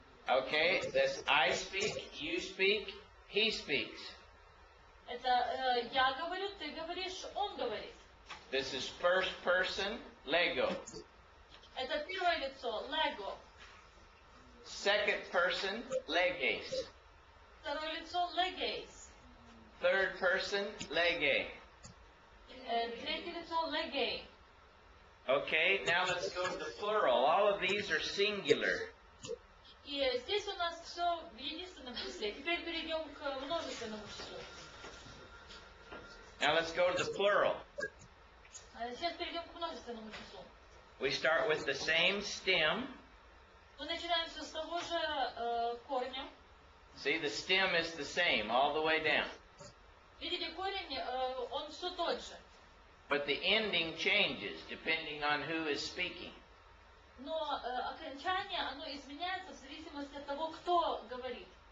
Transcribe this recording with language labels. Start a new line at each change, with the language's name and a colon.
English: Okay, this I speak, you speak, he speaks.
Russian: Это я говорю, ты говоришь, он говорит.
English: This is first person, Lego.
Russian: Это первое лицо, Lego.
English: Second person, Leges.
Russian: Второе лицо, Leges.
English: Third person, Lege.
Russian: Третье лицо, Lege.
English: Okay, now let's go to the plural. All of these are singular.
Russian: И здесь у нас все в единственном числе. Теперь перейдем к множественному числу.
English: Now let's go to the plural.
Russian: Сейчас перейдем к множественному числу.
English: We start with the same stem.
Russian: Мы начинаем все с того же корня.
English: See, the stem is the same all the way down.
Russian: Видите, корень, он все тот же.
English: But the ending changes depending on who is speaking.
Russian: Но окончание, оно изменяется в зависимости от того, кто говорит.